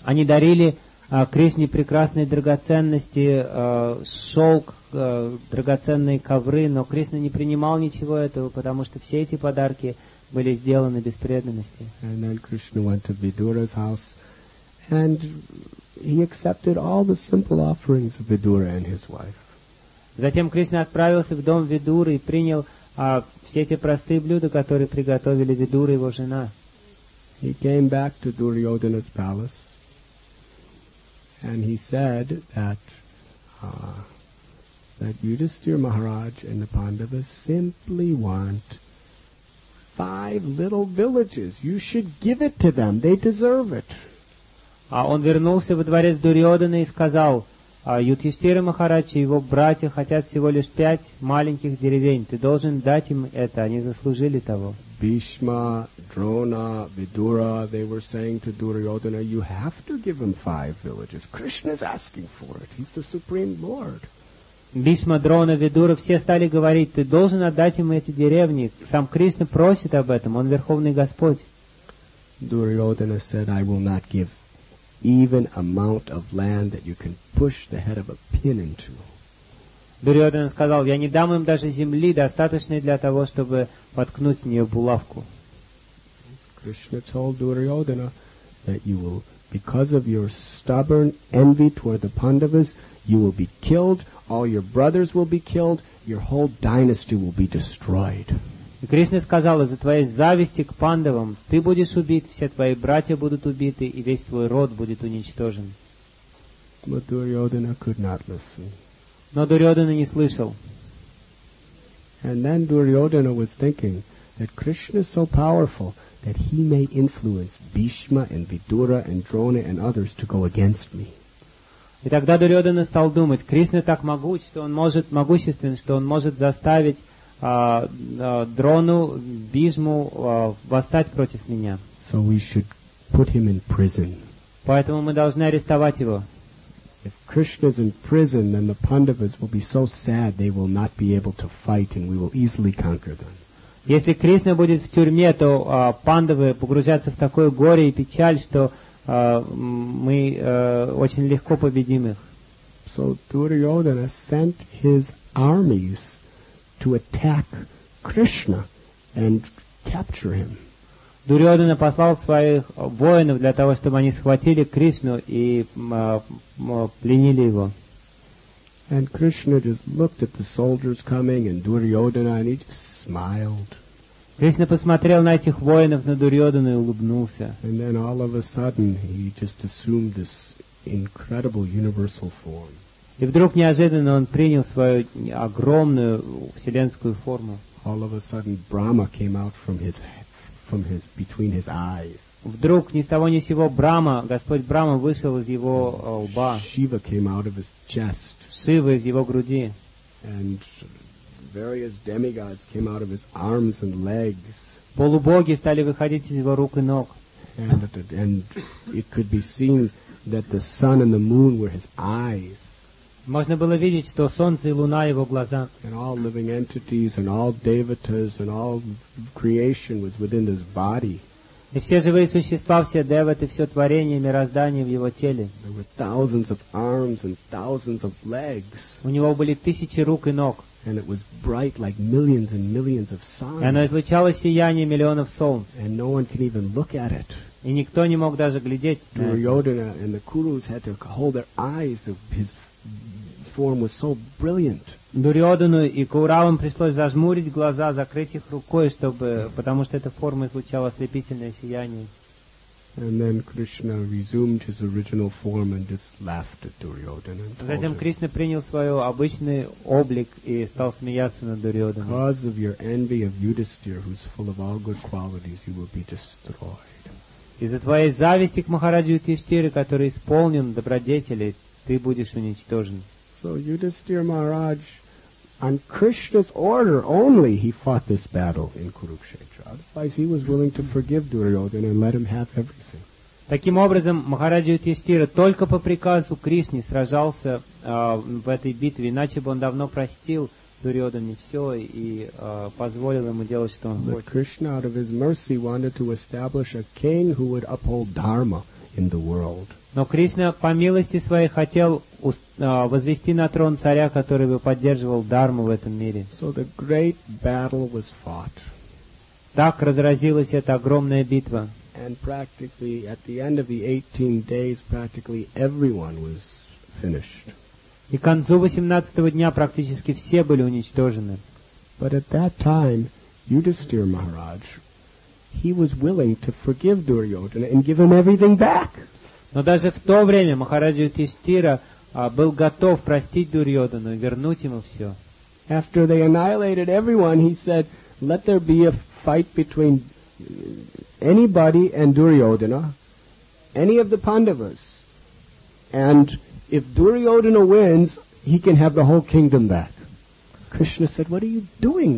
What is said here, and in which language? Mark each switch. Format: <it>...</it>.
<ru>Они дарили Кришне прекрасные драгоценности, шелк, драгоценные ковры, но Кришна не принимал ничего этого, потому что все эти подарки были сделаны без преданности.</ru> <en>And then Krishna went to Vidura's house, and he accepted all the simple offerings of Vidura and his wife.</en> <ru>Затем Кришна отправился в дом Видуры и принял все те простые блюда, которые приготовили Видура и его жена.</ru> <en>He came back to Duryodhana's palace. And he said that that Yudhisthira Maharaj and the Pandavas simply want five little villages. You should give it to them. They deserve it.</en> <ru>Он вернулся во дворец Дурьодханы и сказал, Юдхиштхира Махарадж и его братья хотят всего лишь пять маленьких деревень. Ты должен дать им это. Они заслужили того.</ru> <en>Bhishma, Drona, Vidura, they were saying to Duryodhana, you have to give him five villages. Krishna is asking for it. He's the Supreme Lord.</en> <ru>Bhishma, Drona, Vidura, все стали говорить, ты должен отдать ему эти деревни. Сам Кришна просит об этом. Он Верховный Господь.</ru> <en>Duryodhana said, I will not give even amount of land that you can push the head of a pin into.</en> <ru>Дурьодхана сказал, я не дам им даже земли, достаточной для того, чтобы воткнуть в нее булавку.</ru> <en>Krishna told Duryodhana that you will, because of your stubborn envy toward the Pandavas, you will be killed, all your brothers will be killed, your whole dynasty will be destroyed.</en> <ru>И Кришна сказал, из-за твоей зависти к Пандавам, ты будешь убит, все твои братья будут убиты, и весь твой род будет уничтожен.</ru> <en>But Duryodhana could not listen.</en> <ru>Но Дурьодхана не слышал.</ru> <en>And then Duryodhana was thinking that Krishna is so powerful that he may influence Bhishma and Vidura and Drona and others to go against me.</en> <ru>И тогда Дурьодхана стал думать, Кришна так могуч, что он может могуществен, что он может заставить Дрону, Бхишму восстать против меня.</ru> <en>So we should put him in prison.</en> <ru>Поэтому мы должны арестовать его.</ru> <en>If Krishna is in prison, then the Pandavas will be so sad they will not be able to fight, and we will easily conquer them.</en> <ru>Если Кришна будет в тюрьме, то Пандавы погрузятся в такое горе и печаль, что мы очень легко победим их.</ru> <en>So Duryodhana sent his armies to attack Krishna and capture him.</en> <ru>Дурьодхана послал своих воинов для того, чтобы они схватили Кришну и пленили его.</ru> <en>And Krishna just looked at the soldiers coming and Duryodhana and he just smiled.</en> <ru>Кришна посмотрел на этих воинов, на Дурьодхану и улыбнулся.</ru> <en>And then all of a sudden he just assumed this incredible universal form.</en> <ru>И вдруг неожиданно он принял свою огромную вселенскую форму.</ru> <en>All of a sudden Brahma came out from his head. From his between his eyes.</en> <ru>Вдруг ни с того ни с сего Брама, Господь Брама вышел из его лба.</ru> <en>Шива came out of his chest.</en> <ru>Шива из его груди.</ru> <en>And various demigods came out of his arms and legs.</en> <ru>Полубоги стали выходить из его рук и ног.</ru> <en>And it could be seen that the sun and the moon were his eyes.</en> <ru>Можно было видеть, что солнце и луна его глаза.</ru> <en>And all living entities and all devatas and all creation was within his body.</en> <ru>И все живые существа, все деваты, все творение, мироздание в его теле.</ru> <en>There were thousands of arms and thousands of legs.</en> <ru>У него были тысячи рук и ног.</ru> <en>And it was bright like millions and millions of suns.</en> <ru>И оно излучало сияние миллионов солнц.</ru> <en>And no one can even look at it.</en> <ru>И никто не мог даже глядеть.</ru> <en>Duryodhana and the Kurus had to hold their eyes. His form was so brilliant.</en> <ru>Дурьодхану и Кауравам пришлось зажмурить глаза, закрыть их рукой, чтобы, потому что эта форма излучала ослепительное сияние.</ru> <en>And then Krishna resumed his original form and just laughed at Duryodhana.</en> <ru>Затем Кришна принял свой обычный облик и стал смеяться над Дурьодханом.</ru> <en>Because of your envy of Yudhisthira, who's full of all good qualities, you will be destroyed.</en> <ru>Из-за твоей зависти к Махараджу Юдхиштхире, который исполнен добродетелей, ты будешь уничтожен.</ru> <en>So Yudhisthira Maharaj, on Krishna's order only, he fought this battle in Kurukshetra. Otherwise, he was willing to forgive Duryodhana and let him have everything.</en> <ru>Таким образом, Махараджа Юдхиштхира только по приказу Кришны сражался в этой битве, иначе бы он давно простил Дурьодхане все и позволил ему делать, что он хочет.</ru> <en>But Krishna, out of his mercy, wanted to establish a king who would uphold dharma in the world.</en> <ru>Но Кришна по милости своей хотел возвести на трон царя, который бы поддерживал дхарму в этом мире.</ru> <en>So the great battle was fought.</en> <ru>Так разразилась эта огромная битва.</ru> <en>And practically at the end of the 18 days, practically everyone was finished.</en> <ru>И к концу 18-го дня практически все были уничтожены.</ru> <en>But at that time, Yudhisthira Maharaj, he was willing to forgive Duryodhana and give him everything back.</en> <ru>Но даже в то время Махараджа Юдхиштхира был готов простить Дурьодхану и вернуть ему все.</ru> <en>After they annihilated everyone, he said, "Let there be a fight between anybody and Duryodhana, any of the Pandavas, and if Duryodhana wins, he can have the whole kingdom back." Krishna said, "What are you doing?</en>